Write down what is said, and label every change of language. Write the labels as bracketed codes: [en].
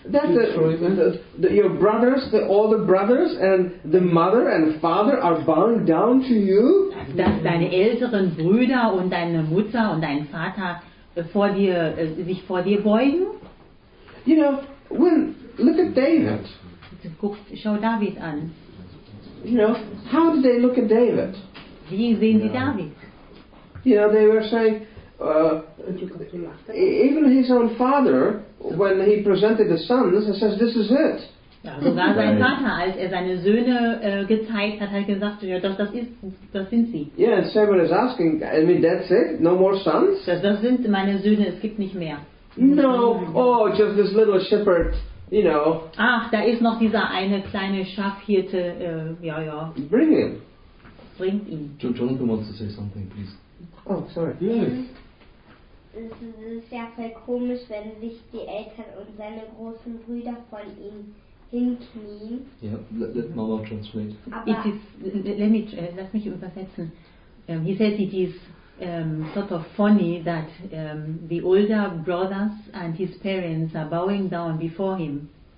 [en] That your brothers, the older brothers and the mother and father are bowing down to you? [de] Dass deine älteren Brüder und deine Mutter und dein Vater sich vor dir beugen? [en] You know, look at David. [de] Schau David an. [en] You know, how do they look at David? [de] Wie sehen sie David? [en] You know, they were saying, even his own father, when he presented the sons, he says, this is it. [de] Sogar sein Vater, als er seine Söhne gezeigt hat, hat gesagt, ja, das sind sie. [en] Yeah, and Samuel is asking, I mean, that's it? No more sons? [de] Das sind meine Söhne, es gibt nicht mehr. [en] No, oh, just this little shepherd, you know. [de] Ach, da ist noch dieser eine kleine Schafhirte, ja, ja. [en] Bring him. [de] Bringt ihn. [en] Jonathan wants to say something, please. Oh, sorry. [de] Es ist ja voll komisch, wenn sich die Eltern und seine großen Brüder von ihm hinknien. [en] Ja, let Mama translate. It is, [de] lass mich übersetzen. [en] He said it is sort of funny that the older brothers and his parents are bowing down before him.